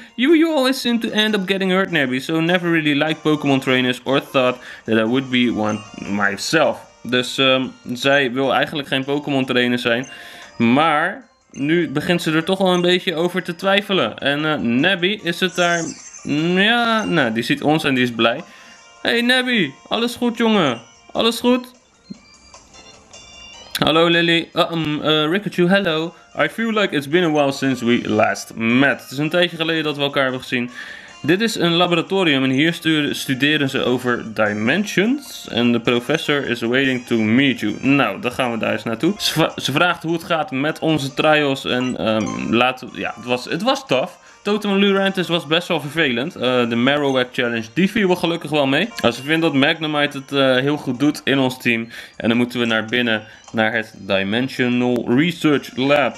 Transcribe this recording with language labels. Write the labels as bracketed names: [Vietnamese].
[English] You always seem to end up getting hurt, Nabby. So never really liked Pokémon trainers or thought that I would be one myself. [Dutch] Dus zij wil eigenlijk geen Pokémon trainer zijn. Maar nu begint ze er toch wel een beetje over te twijfelen. En Nabby is het daar... Ja, nou, die ziet ons en die is blij. Hey, Nabby. Alles goed, jongen? Alles goed? Hallo Lily, Rikachu, [English] hello. I feel like it's been a while since we last met. [Dutch] Het is een tijdje geleden dat we elkaar hebben gezien. Dit is een laboratorium en hier studeren ze over dimensions. En de professor [English] is waiting to meet you. [Dutch] Nou, dan gaan we daar eens naartoe. Ze vraagt hoe het gaat met onze trials en het was tough. Totem Lurantis was best wel vervelend. De Marowak Challenge, die viel we gelukkig wel mee. Ze vinden dat Magnemite het heel goed doet in ons team. En dan moeten we naar binnen, naar het Dimensional Research Lab.